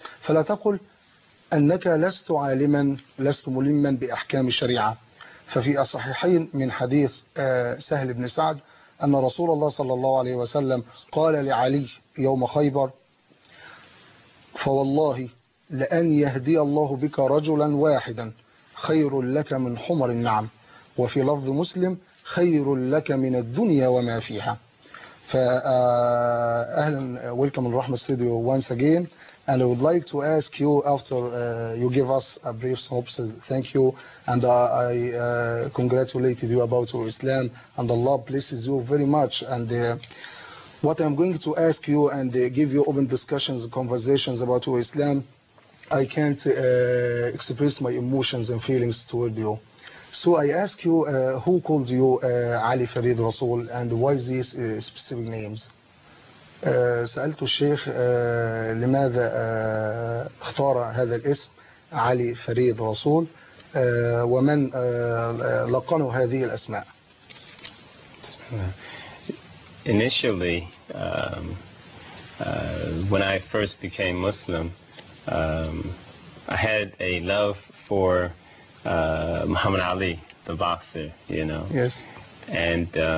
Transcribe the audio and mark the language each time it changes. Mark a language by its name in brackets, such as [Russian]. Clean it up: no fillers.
[Arabic] فلا تقل أنك لست عالما لست ملما بأحكام الشريعة، ففي الصحيحين من حديث سهل بن سعد أن رسول الله صلى الله عليه وسلم قال لعلي يوم خيبر: فوالله لأن يهدي الله بك رجلا واحدا خير لك من حمر النعم، وفي لفظ مسلم: خير لك من الدنيا وما فيها. فأهلا [English] Welcome من رحمة studio once again. And I would like to ask you, after you give us a brief synopsis, thank you, and I congratulated you about your Islam, and Allah blesses you very much. And what I'm going to ask you and give you open discussions and conversations about your Islam, I can't express my emotions and feelings toward you. So I ask you, who called you Ali Farid Rasul, and why these specific names? [Arabic] سألت الشيخ لماذا اختار هذا الاسم علي فريد رسول ومن لقنوا هذه الأسماء. [English] Initially, when I first became Muslim, I had a love for Muhammad Ali, the boxer, you know. Yes. And